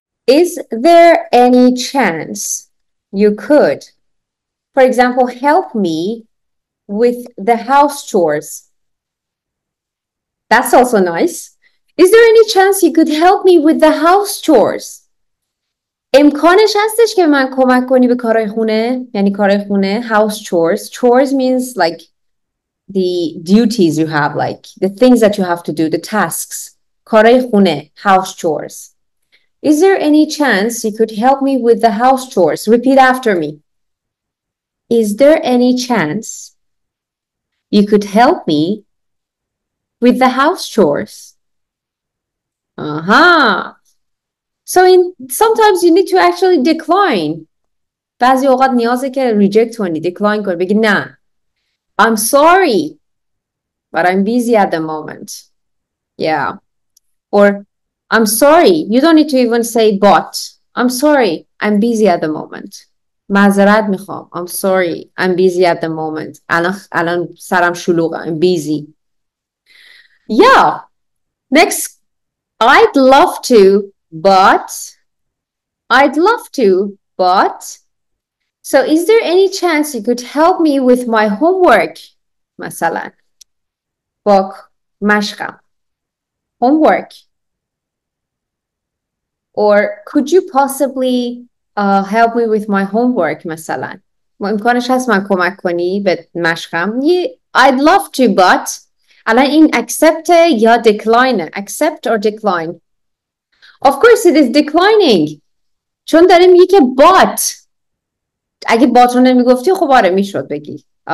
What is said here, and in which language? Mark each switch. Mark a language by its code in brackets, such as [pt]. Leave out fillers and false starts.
[en] Is there any chance you could, for example, help me with the house chores? That's also nice. Is there any chance you could help me with the house chores? [fa] امکانش هستش که من کمک کنی به کارهای خونه؟ یعنی کارهای خونه, house chores. [en] Chores means like the duties you have, like the things that you have to do, the tasks. [fa] کارهای خونه, house chores. [en] Is there any chance you could help me with the house chores? Repeat after me. Is there any chance you could help me with the house chores? Uh-huh. So sometimes you need to actually decline. [fa] بعضی اوقات نیازه که reject کنی, decline کنی. بگی نه. [en] I'm sorry, but I'm busy at the moment. Yeah. Or I'm sorry, you don't need to even say but. I'm sorry, I'm busy at the moment. [fa] معذرت میخوام. [en] I'm sorry, I'm busy at the moment. [fa] الان سرم شلوغه. [en] I'm busy. Yeah. Next, I'd love to, but. So is there any chance you could help me with my homework? [fa] مثلا. با مشقم. Homework. [en] Or could you possibly help me with my homework, [fa] مثلا. امکانش هست من کمک کنی به مشقم. [en] I'd love to, but. الان این accept یا decline. Accept or decline. Of course it is declining. [fa] چون داره میگه که but. اگه but رو نمیگفتی خب آره میشد بگی.